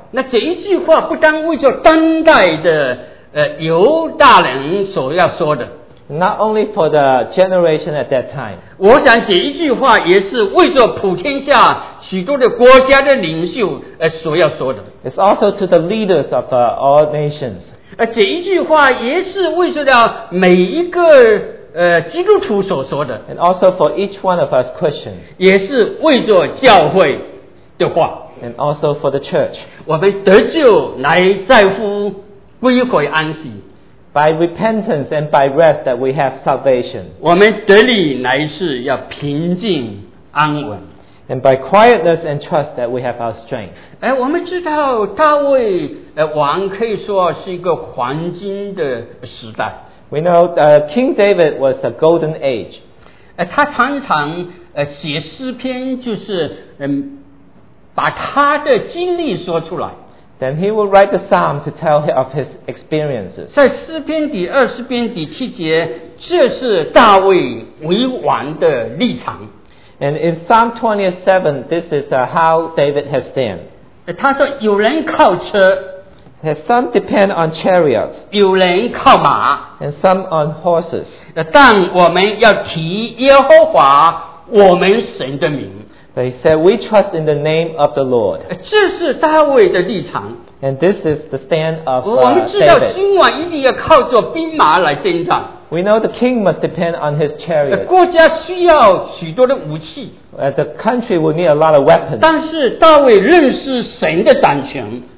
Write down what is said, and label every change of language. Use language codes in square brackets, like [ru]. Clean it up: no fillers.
[zh] 那这一句话不单为着当代的犹大人所要说的。 [en] Not only for the generation at that time. [zh] 我想这一句话也是为着普天下许多的国家的领袖所要说的。 [en] It's also to the leaders of all nations. [zh] 这一句话也是为着每一个基督徒所说的。 [en] And also for each one of us Christians. [zh] 也是为着教会的话。 [en] And also for the church. [zh] 我们得救来在乎归回安息。 [en] By repentance and by rest that we have salvation. [zh] 我们得力乃是要平静安稳。 [en] And by quietness and trust that we have our strength. [zh] 我们知道大卫王可以说是一个黄金的时代。 [en] We know King David was the golden age. [zh] 他常常写诗篇，就是把他的经历说出来。 [en] Then he will write the psalm to tell of his experiences. [zh] 在诗篇第二十篇第七节，这是大卫为王的立场。 [en] And in Psalm 27, this is how David has stand. [zh] 他说有人靠车。 [en] And some depend on chariots. [zh] 有人靠马。 [en] And some on horses. [zh] 但我们要提耶和华我们神的名。 [en] But he said, we trust in the name of the Lord. And this is the stand of David. We know the king must depend on his chariot. The country will need a lot of weapons.